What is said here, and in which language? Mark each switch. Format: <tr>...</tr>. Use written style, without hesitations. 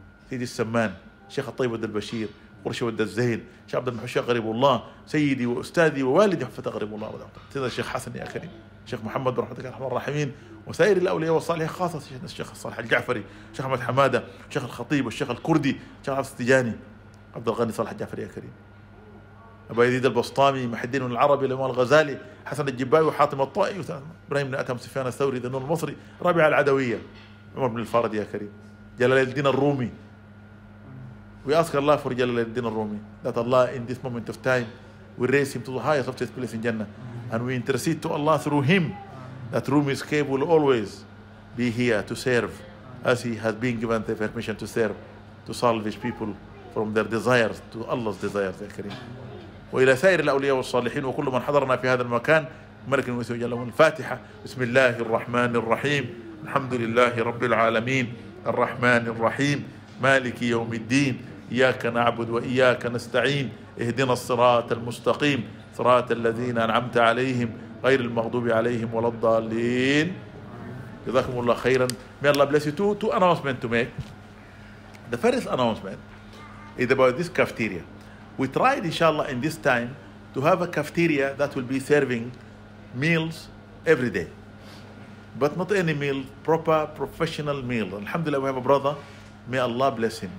<ar>سيدي السمان، شيخ الطيب ود البشير، قرشي ود الزين، شيخ عبد المحشي أقرب الله، سيدي وأستاذي ووالدي حفة أقرب الله ورحمة الله، سيدنا الشيخ حسن يا كريم، شيخ محمد برحمتك يا أرحم الراحمين، وسائر الأولياء والصالحين خاصة الشيخ الصالح الجعفري، شيخ أحمد حمادة، شيخ الخطيب والشيخ الكردي، شيخ عبد السجاني، عبد الغني صالح الجعفري يا كريم. أبو يزيد البسطامي محدين العربي الإمام الغزالي حسن الجبائي وحاتم الطائي إبراهيم بن أتم سفيان الثوري ذنون المصري رابع العدوية عمر بن الفارد يا كريم جلال الدين الرومي</ar> <en>We ask Allah for جلال الدين الرومي that Allah in this moment of time we raise him to the highest of this place in Jannah and we intercede to Allah through him that Rumi's cave will always be here to serve as he has been given the permission to serve to salvage people from their desires to Allah's desires</en> <ar>يا كريم وإلى سائر الأولياء والصالحين وكل من حضرنا في هذا المكان ملك الموت وجل وعلا الفاتحة بسم الله الرحمن الرحيم الحمد لله رب العالمين الرحمن الرحيم مالك يوم الدين إياك نعبد وإياك نستعين اهدنا الصراط المستقيم صراط الذين أنعمت عليهم غير المغضوب عليهم ولا الضالين جزاكم الله خيرا</ar> <en>May Allah bless you. Two announcements to make. The first announcement is about this cafeteria. We tried, inshallah, in this time to have a cafeteria that will be serving meals every day. But not any meal, proper professional meal. Alhamdulillah, we have a brother. May Allah bless him.</en>